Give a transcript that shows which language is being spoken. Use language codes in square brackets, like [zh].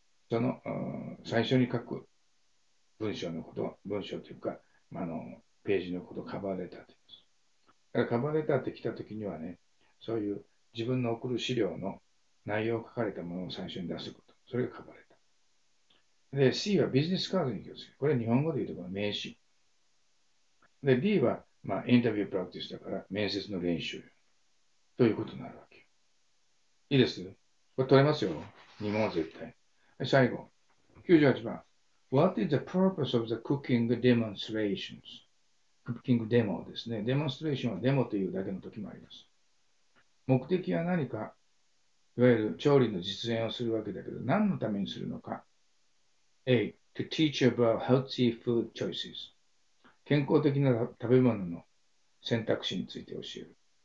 [ja] その最初に書く文章のこと、文章というか、ページのことをカバーレターと言います。だからカバーレターって来た時にはね、そういう自分の送る資料の内容を書かれたものを最初に出すこと、それがカバーレター。で、C はビジネスカードに気をつけ、これは日本語で言うと名刺。で、D は、まあ、インタビュープラクティスだから面接の練習ということになるわけ。いいです。これ取れますよ、2問は絶対。最後、98番。 [en] What is the purpose of the cooking demonstrations? [ja] クッキングデモですね。デモンストレーションはデモというだけの時もあります。目的は何か、いわゆる調理の実演をするわけだけど、何のためにするのか。 [en] A. To teach about healthy food choices. [ja] 健康的な食べ物の選択肢について教える。